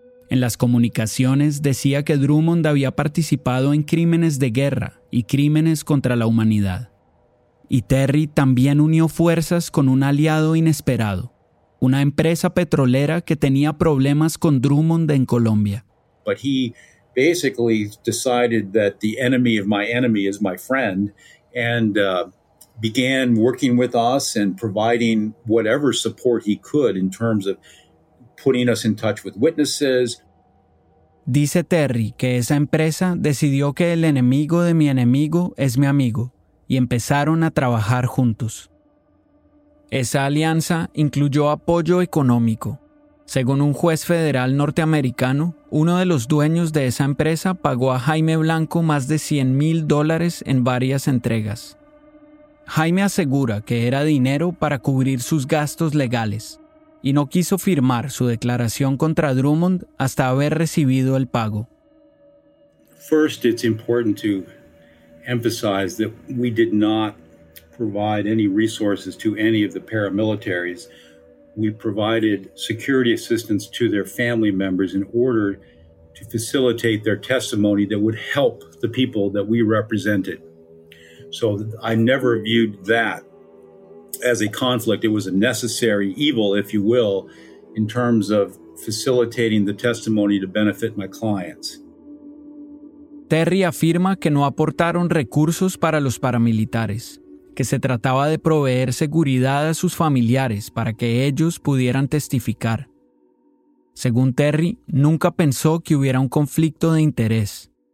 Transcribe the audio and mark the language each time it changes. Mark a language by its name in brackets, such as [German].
[Spanish] En las comunicaciones decía que Drummond había participado en crímenes de guerra y crímenes contra la humanidad. Y Terry también unió fuerzas con un aliado inesperado, una empresa petrolera que tenía problemas con Drummond en Colombia. [English] But he basically decided that the enemy of my enemy is my friend and began working with us and providing whatever support he could in terms of putting us in touch with witnesses. [Spanish] Dice Terry que esa empresa decidió que el enemigo de mi enemigo es mi amigo y empezaron a trabajar juntos. Esa alianza incluyó apoyo económico. Según un juez federal norteamericano, uno de los dueños de esa empresa pagó a Jaime Blanco más de $100,000 en varias entregas. Jaime asegura que era dinero para cubrir sus gastos legales y no quiso firmar su declaración contra Drummond hasta haber recibido el pago. [English] First, it's important to emphasize that we did not provide any resources to any of the paramilitaries. We provided security assistance to their family members in order to facilitate their testimony that would help the people that we represented. So I never viewed that as a conflict. It was a necessary evil, if you will, in terms of facilitating the testimony to benefit my clients. [Spanish] Terry afirma que no aportaron recursos para los paramilitares, que se trataba de proveer seguridad a sus familiares para que ellos pudieran testificar. Según Terry, nunca pensó que hubiera un conflicto de interés.